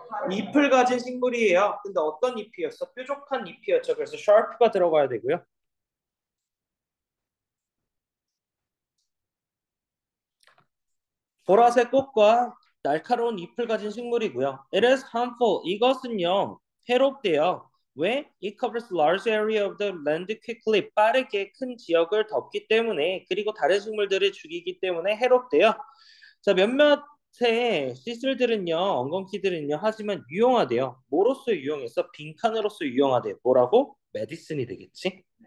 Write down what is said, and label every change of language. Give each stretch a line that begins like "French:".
Korean: 잎을 가진 식물이에요. 근데 어떤 잎이었어? 뾰족한 잎이었죠. 그래서 sharp가 들어가야 되고요. 보라색 꽃과 날카로운 잎을 가진 식물이고요.
English: It is harmful.
Korean: 이것은요, 해롭대요. 왜?
English: It covers large area of the land quickly.
Korean: 빠르게 큰 지역을 덮기 때문에, 그리고 다른 식물들을 죽이기 때문에 해롭대요. 자, 몇몇의 시슬들은요, 엉겅퀴들은요, 하지만 유용하대요. 뭐로써 유용했어? 빈칸으로써 유용하대. 뭐라고? 메디슨이 되겠지?